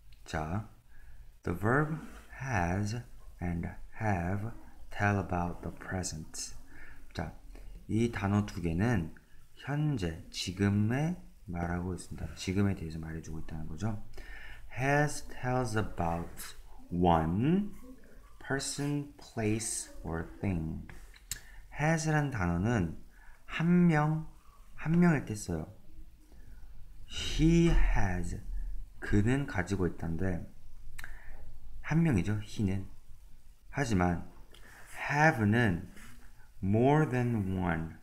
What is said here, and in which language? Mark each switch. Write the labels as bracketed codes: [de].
[en] 자, the verb has and have tell about the present. [ko] 자, 이 단어 두 개는 현재, 지금에 말하고 있습니다. 지금에 대해서 말해주고 있다는 거죠. [en] has tells about one person, place, or thing. [ko] has라는 단어는 한 명, 한 명일 때 써요. [en] He has. [ko] 그는 가지고 있다는데 한 명이죠. He는. 하지만 have는 [en] more than one.